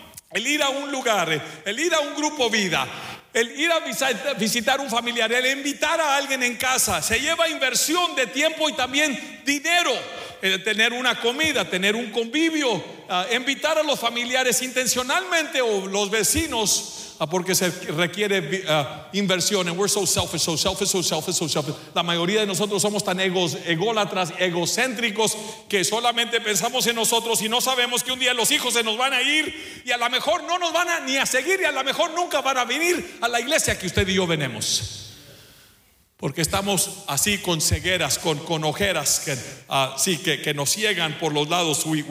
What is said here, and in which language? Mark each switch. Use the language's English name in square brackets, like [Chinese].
[Spanish] El ir a un lugar, el ir a un grupo vida, el ir a visitar un familiar, el invitar a alguien en casa, se lleva inversión de tiempo y también dinero. Tener una comida, tener un convivio, invitar a los familiares intencionalmente o los vecinos, porque se requiere inversión. [English] And we're so selfish, so selfish, so selfish, so selfish. [Spanish] La mayoría de nosotros somos tan ególatras, egocéntricos, que solamente pensamos en nosotros y no sabemos que un día los hijos se nos van a ir y a lo mejor no nos van a ni a seguir, y a lo mejor nunca van a venir a la iglesia que usted y yo venimos. Porque estamos así con cegueras, con ojeras que nos ciegan por los lados.